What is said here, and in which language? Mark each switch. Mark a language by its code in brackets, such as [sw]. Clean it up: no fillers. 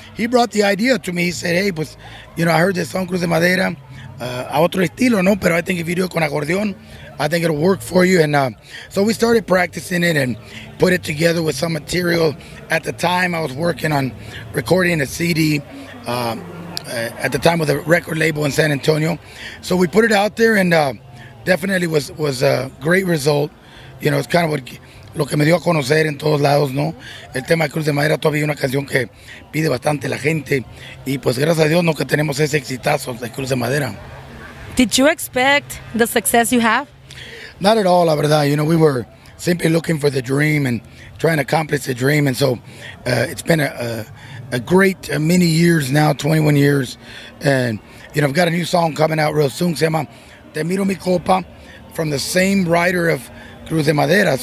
[en] He brought the idea to me. He said, hey, [es] pues, [en] you know, I heard this song, Cruz de Madera, [es] a otro estilo, no, pero [en] I think if you do it [es] con acordeón, [en] I think it'll work for you. And so we started practicing it and put it together with some material. At the time, I was working on recording a CD at the time with a record label in San Antonio. So we put it out there, and definitely was a great result. You know, it's kind of what [es] lo que me dio a conocer en todos lados, ¿no? El tema Cruz de Madera todavía es una canción que pide bastante la gente. Y pues gracias a Dios, ¿no? Que tenemos ese exitazo de Cruz de Madera. [en] Did you expect the success you have? Not at all, [es] la verdad. [en] You know, we were simply looking for the dream and trying to accomplish the dream. And so it's been a great many years now, 21 years. And, you know, I've got a new song coming out real soon. [es] Se llama [en] Te Miro Mi Copa, from the same writer of Cruz de Madera.